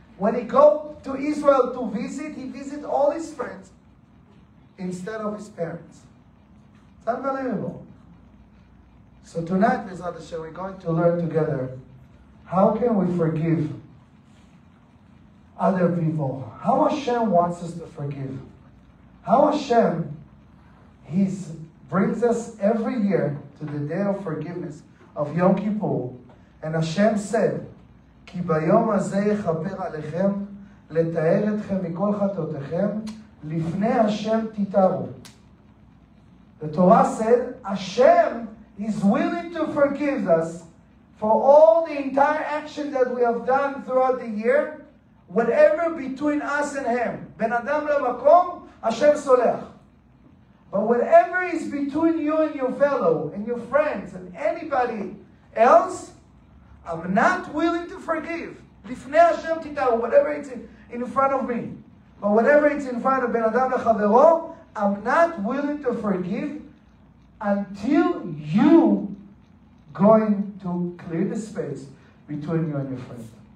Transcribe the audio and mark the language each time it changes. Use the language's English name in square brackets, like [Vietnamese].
[English] When he go to Israel to visit, he visits all his friends instead of his parents. It's unbelievable. So tonight, Be'ezrat Hashem, we're going to learn together, how can we forgive other people? How Hashem wants us to forgive? How Hashem, he brings us every year to the day of forgiveness of Yom Kippur, and Hashem said, [Hebrew] כי ביום הזה יכפר עליכם לתאר אתכם מכל חטאותיכם לפני השם תתארו. [English] The Torah said, Hashem is willing to forgive us for all the entire action that we have done throughout the year, whatever between us and him. [Hebrew] בן אדם למקום, Hashem סולח. [English] But whatever is between you and your fellow and your friends and anybody else, I'm not willing to forgive. [Hebrew] לפני השם תתארו, [English] whatever it's in front of me. But whatever it's in front of [Hebrew] בן אדם לחברו, [English] I'm not willing to forgive until you going to clear the space between you and your friend.